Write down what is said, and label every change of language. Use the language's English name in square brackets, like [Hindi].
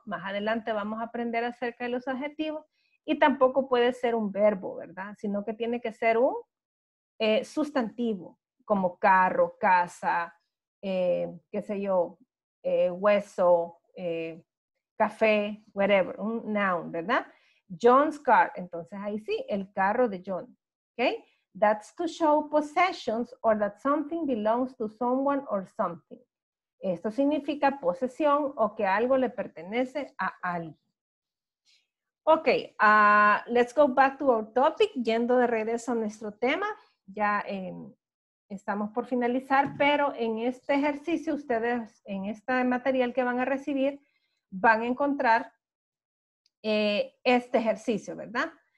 [Spanish] Más adelante vamos a aprender acerca de los adjetivos. Y tampoco puede ser un verbo, ¿verdad? Sino que tiene que ser un sustantivo, como carro, casa, qué sé yo, hueso, café, whatever, un noun, ¿verdad? [English] John's car. [Spanish] Entonces ahí sí, el carro de John. ¿Okay? [English] That's to show possessions or that something belongs to someone or something. [Spanish] Esto significa posesión o que algo le pertenece a alguien. [English] Ok, let's go back to our topic. [Spanish] Yendo de regreso a nuestro tema, ya estamos por finalizar, pero en este ejercicio ustedes, en este material que van a recibir, van a encontrar este ejercicio, ¿verdad?